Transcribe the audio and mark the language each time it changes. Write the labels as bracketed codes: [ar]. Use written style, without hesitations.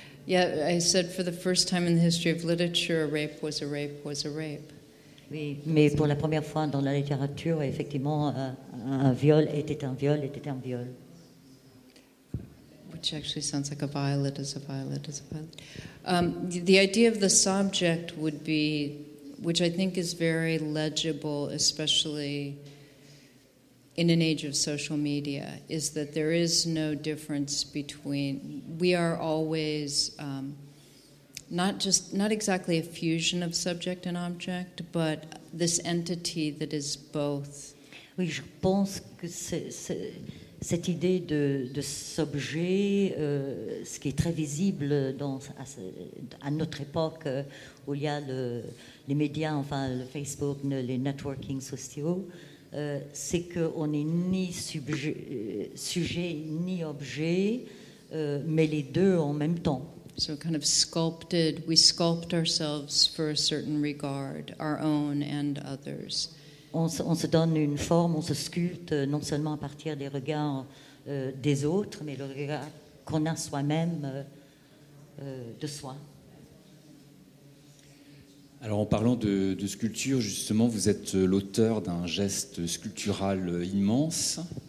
[en] Yeah, I said for the first time in the history of literature, a rape was a rape was a rape. [fr] Oui, mais pour la première fois dans la littérature, effectivement, un viol était un viol était un viol. [en] Which actually sounds like a violet is a violet is a violet. The idea of the subject would be, which I think is very legible, especially in an age of social media, is that there is no difference between, we are always not exactly a fusion of subject and object, but this entity that is both. [fr] Oui, je pense que cette idée de subject, ce qui est très visible à notre époque où il y a les médias, enfin le Facebook, les networking sociaux, c'est qu'on n'est ni sujet ni objet, mais les deux en même temps. [en] So kind of sculpted, we sculpt ourselves for a certain regard, our own and others. [fr] On se donne une forme, on se sculpte non seulement à partir des regards des autres, mais le regard qu'on a soi-même de soi. Alors, en parlant de sculpture, justement, vous êtes l'auteur d'un geste sculptural immense.